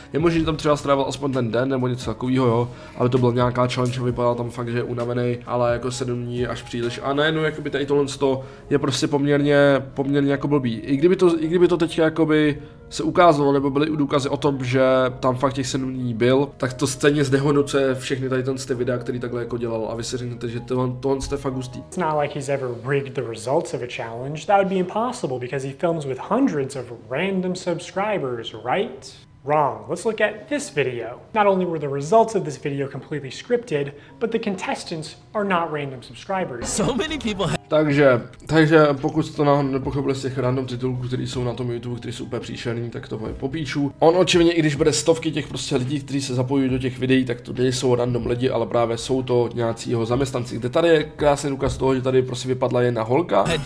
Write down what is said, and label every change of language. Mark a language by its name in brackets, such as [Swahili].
[Czech] Je možné, že tam třeba strávil aspoň ten den nebo něco takového, jo, aby to byl nějaká challenge, vypadal tam fakt, že je unavený, ale jako 7 dní až příliš. A najednou jakoby tady tohle je prostě poměrně jako blbý. I kdyby to teďka jakoby se ukázalo, nebo byly důkazy o tom, že tam fakt těch 7 dní byl, tak to stejně zdehodnocuje všechny tady ten videa, který takhle jako dělal, a vy si řeknete, že tohle je fakt hustý. [English] It's not like he's ever rigged the results of a challenge. That would be impossible because he films with hundreds of random subscribers, right? Wrong. Let's look at this video. Not only were the results of this video completely scripted, but the contestants are not random subscribers. So many people have... [Czech] Takže pokud jste náhodou nepochopili z těch random titulků, které jsou na tom YouTube, které jsou úplně příšerný, tak to moje popíču. On očivně, i když bude stovky těch prostě lidí, kteří se zapojují do těch videí, tak to nejsou random lidi, ale právě jsou to nějací jeho zaměstnanci. Kde tady je krásný důkaz toho, že tady prostě vypadla jedna holka.